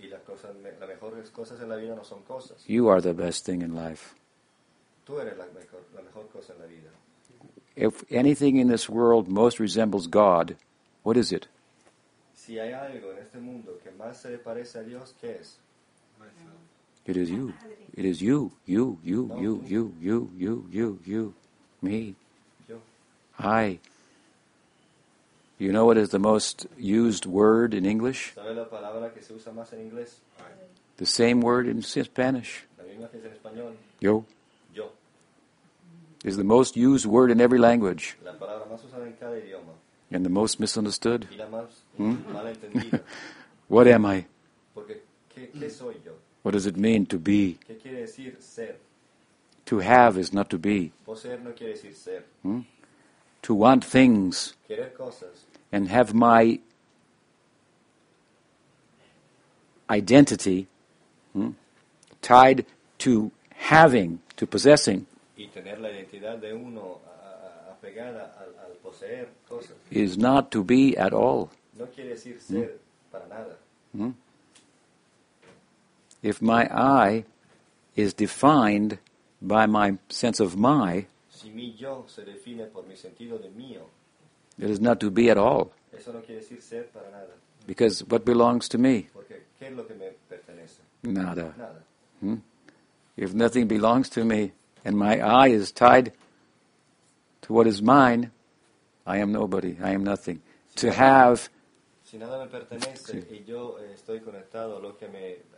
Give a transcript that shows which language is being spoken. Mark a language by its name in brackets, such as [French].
[Spanish] Y las mejores cosas en la vida no son cosas. [English] You are the best thing in life. [Spanish] Tú eres la mejor cosa en la vida. [English] If anything in this world most resembles God, what is it? [Spanish] Si hay algo en este mundo que más se le parece a Dios, ¿qué es? [English] It is you. It is you. You. Me. [Spanish] Yo. [English] I. You know what is the most used word in English? [Spanish] ¿Sabe la palabra que se usa más en inglés? [English] The same word in Spanish. [Spanish] La misma que es en español. Yo. Yo. [English] Is the most used word in every language. [Spanish] La palabra más usada en cada idioma. [English] And the most misunderstood. [Spanish] Y la más mal entendida. [English] What am I? [Spanish] Porque, ¿qué soy yo? [English] What does it mean to be? [Spanish] ¿Qué quiere decir ser? [English] To have is not to be. [Spanish] Poseer no quiere decir ser. [English] To want things. [Spanish] Querer cosas. [English] And have my identity tied to having, to possessing. [Spanish] Y tener la identidad de uno apegada al poseer cosas. [English] Is not to be at all. [Spanish] No quiere decir ser para nada. [English] If my I is defined by my sense of my, [Spanish] si mi yo se define por mi sentido de mío, [English] it is not to be at all. [Spanish] Eso no quiere decir ser para nada. [English] Because what belongs to me? [Spanish] Porque, ¿qué es lo que me pertenece? Nada. Nada. [English] If nothing belongs to me and my I is tied to what is mine, I am nobody, I am nothing. Si to nada, have... [Spanish] Si nada me pertenece y yo estoy conectado a lo que me...